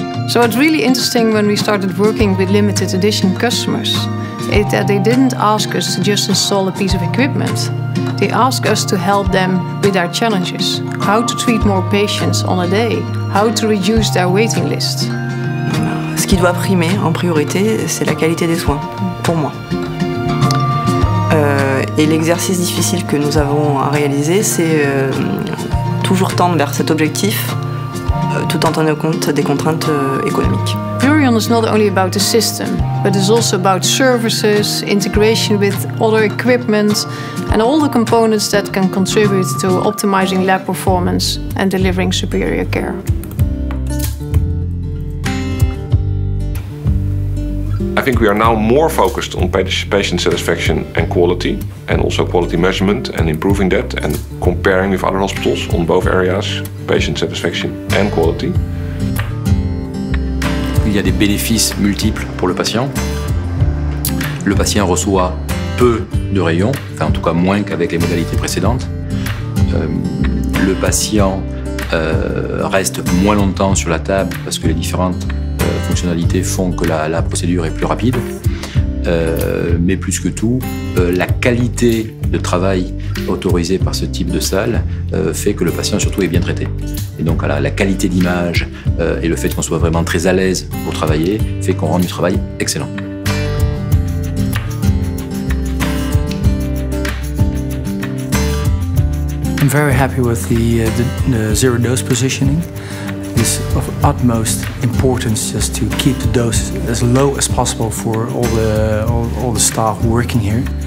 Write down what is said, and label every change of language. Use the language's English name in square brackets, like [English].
[English] So it's really interesting when we started working with limited edition customers that they didn't ask us to just install a piece of equipment. They asked us to help them with their challenges. How to treat more patients on a day. How to reduce their waiting list. [French] Ce qui doit primer en priorité, c'est la qualité des soins, pour moi. Et l'exercice difficile que nous avons à réaliser, c'est toujours tendre vers cet objectif, tout en tenant compte des contraintes économiques. [English] Azurion is not only about the system, but it's also about services, integration with other equipment, and all the components that can contribute to optimizing lab performance and delivering superior care. I think we are now more focused on patient satisfaction and quality, and also quality measurement and improving that, and comparing with other hospitals on both areas, patient satisfaction and quality. The [French] il y a des bénéfices multiples pour le patient. Le patient reçoit peu de rayons, enfin en tout cas moins qu'avec les modalités précédentes. Le patient reste moins longtemps sur la table parce que les différentes fonctionnalités font que la procédure est plus rapide. Mais plus que tout, la qualité de travail autorisée par ce type de salle fait que le patient surtout est bien traité. Et donc la qualité d'image et le fait qu'on soit vraiment très à l'aise pour travailler fait qu'on rend du travail excellent. [English] I'm very happy with the zero dose positioning. It's of utmost importance just to keep the dose as low as possible for all the staff working here.